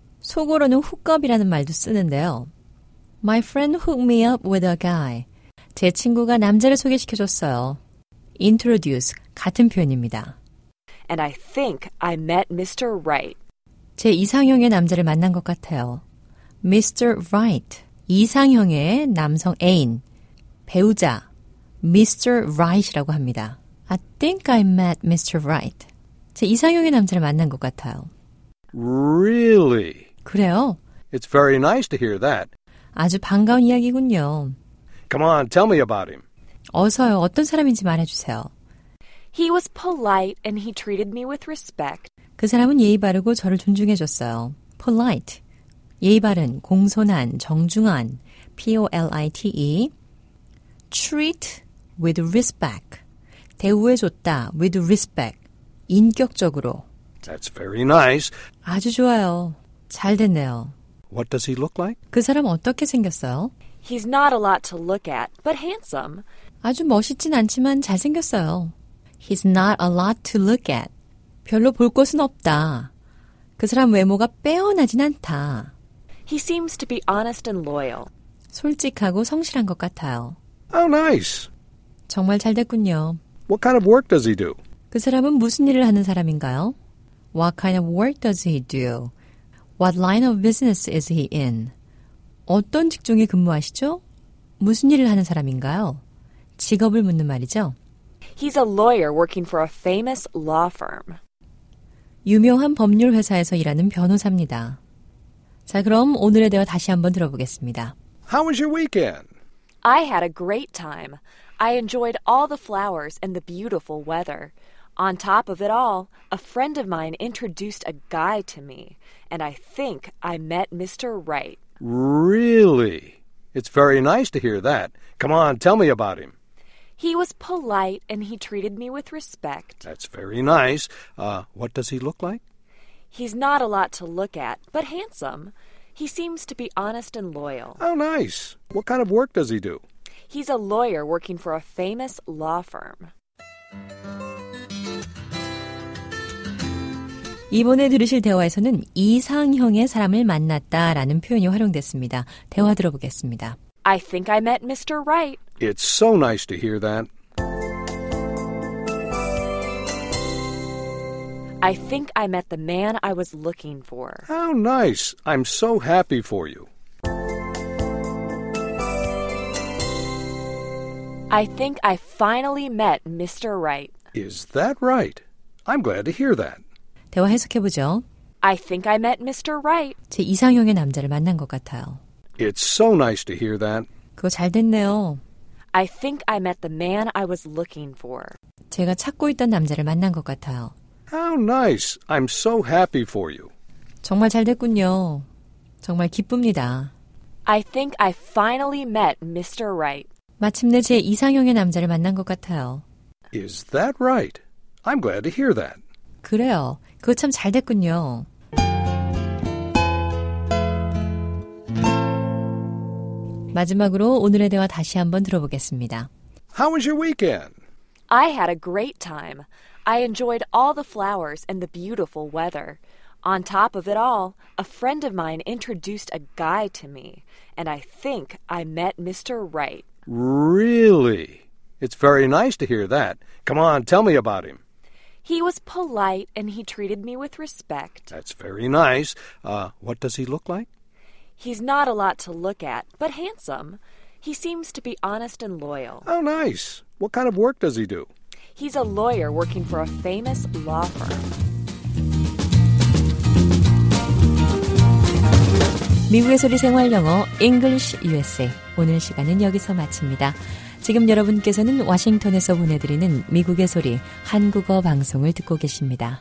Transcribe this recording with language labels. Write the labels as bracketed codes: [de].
[ko] 속으로는 hookup이라는 말도 쓰는데요. [en] My friend hooked me up with a guy. [ko] 제 친구가 남자를 소개시켜줬어요. Introduce, 같은 표현입니다. [en] And I think I met Mr. Wright. [ko] 제 이상형의 남자를 만난 것 같아요. [en] Mr. [ko] Wright, 이상형의 남성 애인, 배우자, Mr. Wright이라고 합니다. [en] I think I met Mr. Wright. [ko] 제 이상형의 남자를 만난 것 같아요. [en] Really? [ko] 그래요? [en] It's very nice to hear that. [ko] 아주 반가운 이야기군요. [en] Come on, tell me about him. [ko] 어서요. 어떤 사람인지 말해주세요. [en] He was polite and he treated me with respect. [ko] 그 사람은 예의 바르고 저를 존중해줬어요. [en] Polite. [ko] 예의 바른, 공손한, 정중한. [en] P-O-L-I-T-E. Treat with respect. [ko] 대우해줬다. [en] With respect. [ko] 인격적으로. [en] That's very nice. [ko] 아주 좋아요. 잘 됐네요. [en] What does he look like? [ko] 그 사람 어떻게 생겼어요? [en] He's not a lot to look at, but handsome. [ko] 아주 멋있진 않지만 잘생겼어요. [en] He's not a lot to look at. [ko] 별로 볼 것은 없다. 그 사람 외모가 빼어나진 않다. [en] He seems to be honest and loyal. [ko] 솔직하고 성실한 것 같아요. [en] Oh, nice. [ko] 정말 잘 됐군요. [en] What kind of work does he do? [ko] 그 사람은 무슨 일을 하는 사람인가요? [en] What kind of work does he do? What line of business is he in? [ko] 어떤 직종에 근무하시죠? 무슨 일을 하는 사람인가요? 직업을 묻는 말이죠. [en] He's a lawyer working for a famous law firm. [ko] 유명한 법률 회사에서 일하는 변호사입니다. 자, 그럼 오늘의 대화 다시 한번 들어보겠습니다. [en] How was your weekend? I had a great time. I enjoyed all the flowers and the beautiful weather. On top of it all, a friend of mine introduced a guy to me, and I think I met Mr. Wright. Really? It's very nice to hear that. Come on, tell me about him. He was polite, and he treated me with respect. That's very nice. What does he look like? He's not a lot to look at, but handsome. He seems to be honest and loyal. Oh, nice. What kind of work does he do? He's a lawyer working for a famous law firm. [ko] 이번에 들으실 대화에서는 이상형의 사람을 만났다라는 표현이 활용됐습니다. 대화 들어보겠습니다. [en] I think I met Mr. Right. It's so nice to hear that. I think I met the man I was looking for. How nice. I'm so happy for you. I think I finally met Mr. Right. Is that right? I'm glad to hear that. [ko] 대화 해석해보죠. [en] I think I met Mr. Right. [ko] 제 이상형의 남자를 만난 것 같아요. [en] It's so nice to hear that. [ko] 그거 잘 됐네요. [en] I think I met the man I was looking for. [ko] 제가 찾고 있던 남자를 만난 것 같아요. [en] How nice. I'm so happy for you. [ko] 정말 잘 됐군요. 정말 기쁩니다. [en] I think I finally met Mr. Right. [ko] 마침내 제 이상형의 남자를 만난 것 같아요. [en] Is that right? I'm glad to hear that. [ko] 그래요. 그거 참 잘 됐군요. 마지막으로 오늘의 대화 다시 한번 들어보겠습니다. [en] How was your weekend? I had a great time. I enjoyed all the flowers and the beautiful weather. On top of it all, a friend of mine introduced a guy to me, and I think I met Mr. Right. Really? It's very nice to hear that. Come on, tell me about him. He was polite and he treated me with respect. That's very nice. What does he look like? He's not a lot to look at, but handsome. He seems to be honest and loyal. Oh, nice. What kind of work does he do? He's a lawyer working for a famous law firm. [ko] 미국의 소리 생활 영어 English USA 오늘 시간은 여기서 마칩니다. 지금 여러분께서는 워싱턴에서 보내드리는 미국의 소리 한국어 방송을 듣고 계십니다.